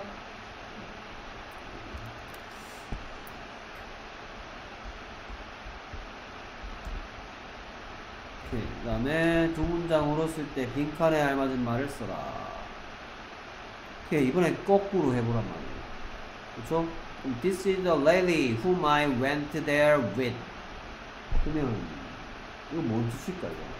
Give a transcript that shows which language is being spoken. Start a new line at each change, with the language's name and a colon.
Korean: 그 다음에 두 문장으로 쓸 때 빈칸에 알맞은 말을 써라. 오케이, 이번에 거꾸로 해보란 말이에요. 그쵸?
English: This is the lady whom I went there with.
Korean: 그러면 이거 뭔 뜻일까요?